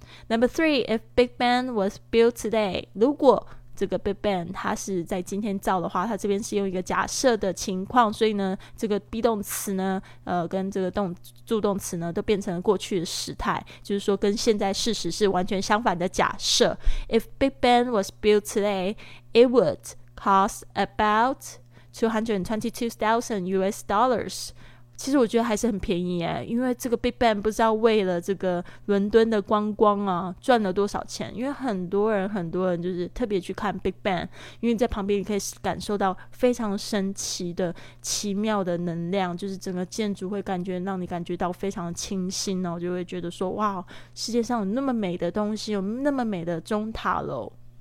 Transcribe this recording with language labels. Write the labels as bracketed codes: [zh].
[en] Number three, if Big Ben was built today, [zh] 如果这个 Big Ben 它是在今天造的话，它这边是用一个假设的情况，所以呢，这个 be 动词呢，跟这个助动词呢，都变成了过去的时态，就是说跟现在事实是完全相反的假设。 [en] If Big Ben was built today, it would cost about $222,000. [zh] 其实我觉得还是很便宜耶，因为这个 Big Ben 不知道为了这个伦敦的观光啊赚了多少钱，因为很多人就是特别去看 Big Ben, 因为在旁边你可以感受到非常神奇的奇妙的能量，就是整个建筑会感觉让你感觉到非常清新哦，就会觉得说哇，世界上有那么美的东西，有那么美的钟塔楼。